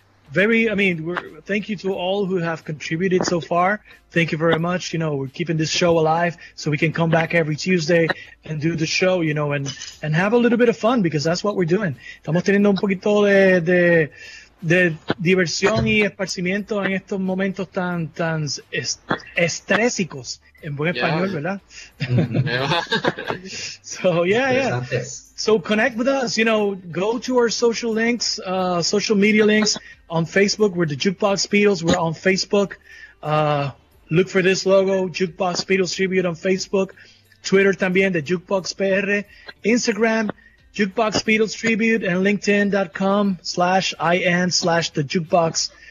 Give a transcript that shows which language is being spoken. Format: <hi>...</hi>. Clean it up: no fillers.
<en>Thank you to all who have contributed so far. Thank you very much. You know, we're keeping this show alive so we can come back every Tuesday and do the show, you know, and have a little bit of fun because that's what we're doing.</en> <es>Estamos teniendo un poquito de diversión y esparcimiento en estos momentos tan estrésicos, en buen español, ¿verdad?</es> <en>So, So connect with us, you know, go to our social links, social media links on Facebook. We're the Jukebox Beatles. We're on Facebook. Look for this logo, Jukebox Beatles Tribute on Facebook. Twitter también, the Jukebox PR. Instagram, Jukebox Beatles Tribute, and LinkedIn.com/IN/TheJukebox.</en>